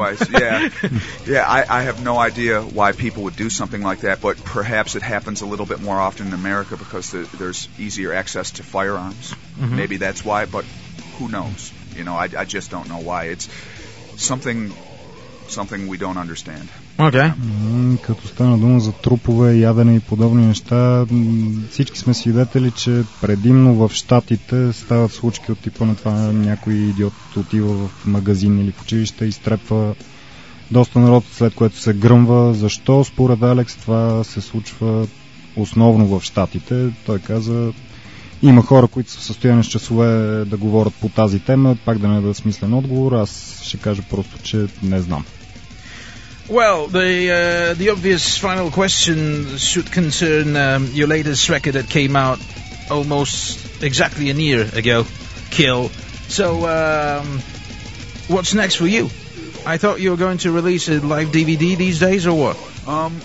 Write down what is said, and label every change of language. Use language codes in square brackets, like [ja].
[en] I have no idea why people would do something like that, but perhaps it happens a little bit more often in America because there's easier access to firearms. Mm-hmm. Maybe that's why, but who knows? You know, I just don't know why. It's something we don't understand. Okay. [bg] Като стана дума за трупове, ядене и подобни неща, всички сме свидетели, че предимно в щатите стават случки от типа на това, някой идиот отива в магазин или в училище и стрепва доста народ, след което се гръмва. Защо според Алекс това се случва основно в щатите? Той каза, има хора, които са в състояние с часове да говорят по тази тема, пак да не да смислен отговор, аз ще кажа просто, че не знам. [en] Well, the obvious final question should concern your latest record that came out almost exactly a year ago, kill. So, what's next for you? I thought you were going to release a live DVD these days, or what?